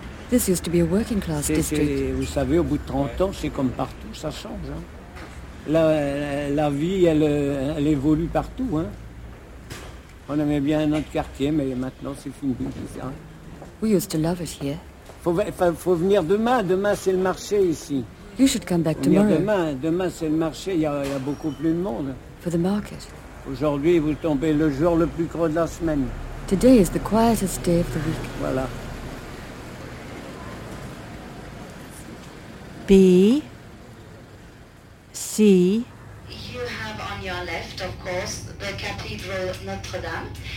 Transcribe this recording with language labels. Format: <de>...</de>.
<en>This used to be a working class district.</en> <fr>Vous savez, au bout de 30 ans, c'est comme partout, ça change. Hein. La vie, elle évolue partout. Hein. On aimait bien notre quartier, mais maintenant, c'est fini. Hein.</fr> <en>We used to love it here.</en> <fr>Faut venir demain. Demain, c'est le marché ici.</fr> <en>You should come back tomorrow.</en> <fr>Demain c'est le marché. Il y a beaucoup plus de monde.</fr> <en>For the market.</en> <fr>Aujourd'hui, vous tombez le jour le plus creux de la semaine.</fr> <en>Today is the quietest day of the week.</en> <fr>Voilà. B. C.</fr> <en>You have on your left, of course, the Cathedral Notre Dame.</en>